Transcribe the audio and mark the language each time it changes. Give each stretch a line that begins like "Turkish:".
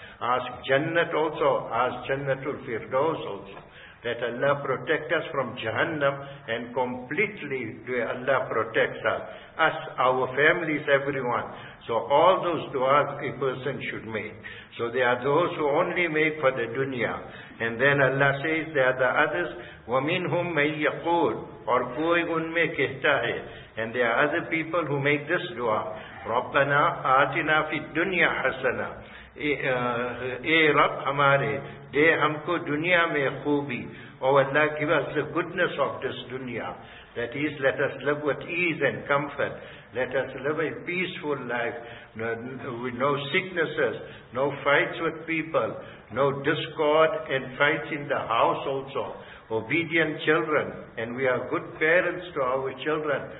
English: Ask Jannat also, ask Jannatul Firdaus also. That Allah protect us from Jahannam, and completely do Allah protect us, our families, everyone. So all those du'as a person should make. So there are those who only make for the dunya. And then Allah says there are the others,
Arabic: وَمِنْهُمْ مَنْ يَقُولُ
Urdu: اور کوئی ان میں کہتا ہے.
English: And there are other people who make this dua,
Arabic: رَبَّنَا آتِنَا فِي الدُّنْيَا حَسَنَا,
Urdu: اے رب ہمارے دے ہم کو دنیا میں خوبی.
English: Oh Allah, give us the goodness of this dunya. That is, let us live with ease and comfort. Let us live a peaceful life, with no sicknesses, no fights with people, no discord and fights in the house also. Obedient children, and we are good parents to our children.